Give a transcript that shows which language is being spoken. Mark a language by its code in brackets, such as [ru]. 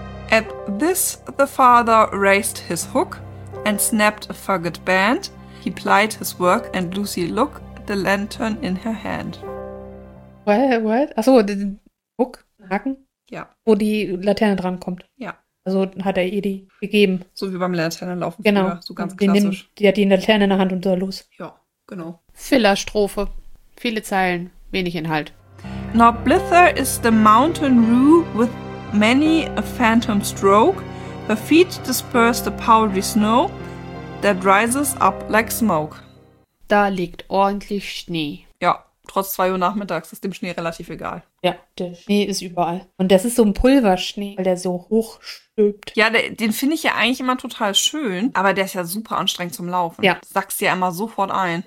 [en] At this the father raised his hook and snapped a fugged band. He plied his work and Lucy look the lantern in her hand. What? [de] Ach so, den Hook, Haken, Ja. wo die Laterne dran kommt. Ja. Also hat er ihr die gegeben. So wie beim Laternenlaufen früher, Genau. so ganz Und die nimmt, klassisch. die hat die Laterne in der Hand und so los. Ja, genau. Filler-Strophe. Viele Zeilen, wenig Inhalt. [en] Now blither is the mountain rue with many a phantom stroke. Her feet disperse the powdery snow that rises up like smoke. [de] Da liegt ordentlich Schnee. Ja, trotz 2 Uhr nachmittags ist dem Schnee relativ egal. Ja, der Schnee ist überall. Und das ist so ein Pulverschnee, weil der so hoch stülpt. Ja, den finde ich ja eigentlich immer total schön, aber der ist ja super anstrengend zum Laufen. Ja. Sackst ja immer sofort ein.